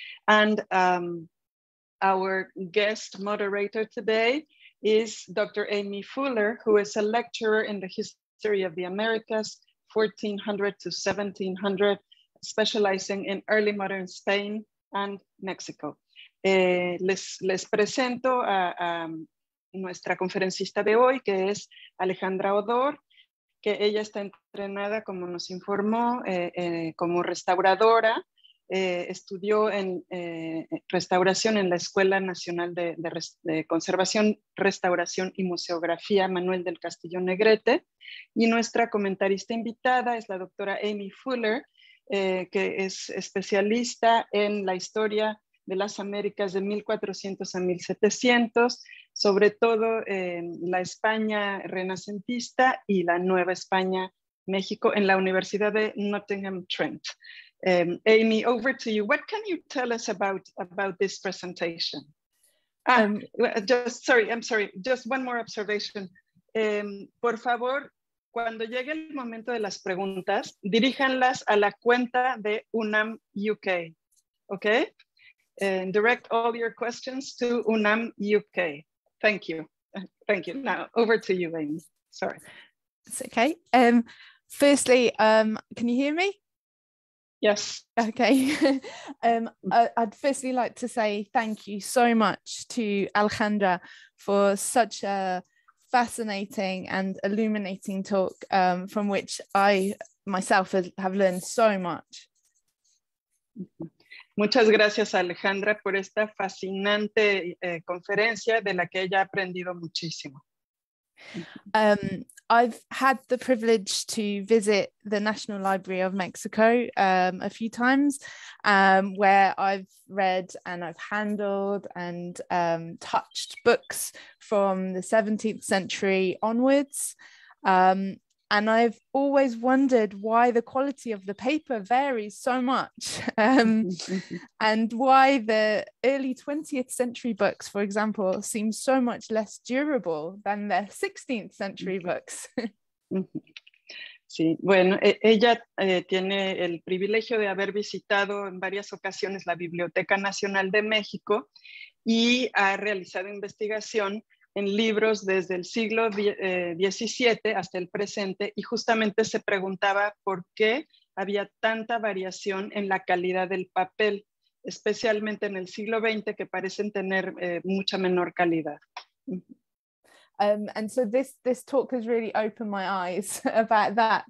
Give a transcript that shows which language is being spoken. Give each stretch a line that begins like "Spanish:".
English: And our guest moderator today is Dr. Amy Fuller, who is a lecturer in the History of the Americas, 1400 to 1700, specializing in early modern Spain and Mexico.
Spanish: Les presento a nuestra conferencista de hoy, que es Alejandra Odor, que ella está entrenada, como nos informó, como restauradora. Estudió en restauración en la Escuela Nacional de Conservación, Restauración y Museografía Manuel del Castillo Negrete. Y nuestra comentarista invitada es la doctora Amy Fuller, que es especialista en la historia de las Américas de 1400 a 1700, sobre todo en la España renacentista y la Nueva España, México, en la Universidad de Nottingham Trent.
English: Amy, over to you. What can you tell us about this presentation? Just one more observation.
Spanish: Por favor, cuando llegue el momento de las preguntas, diríjanlas a la cuenta de UNAM UK, okay?
English: And direct all your questions to UNAM UK. Thank you. Now, over to you, Amy. Sorry. It's okay. Firstly, can you hear me? Yes. Okay. I'd firstly like to say thank you so much to Alejandra for such a fascinating and illuminating talk, from which I myself have learned so much.
Spanish: Muchas gracias, Alejandra, por esta fascinante conferencia de la que ella ha aprendido muchísimo.
English: I've had the privilege to visit the National Library of Mexico a few times, where I've read and I've handled and touched books from the 17th century onwards. And I've always wondered why the quality of the paper varies so much, and why the early 20th century books, for example, seem so much less durable than their 16th century books.
Spanish: Sí, bueno, ella tiene el privilegio de haber visitado en varias ocasiones la Biblioteca Nacional de México y ha realizado investigación en libros desde el siglo XVII hasta el presente, y justamente se preguntaba por qué había tanta variación en la calidad del papel, especialmente en el siglo XX, que parecen tener mucha menor calidad.
English: And so this talk has really opened my eyes about that.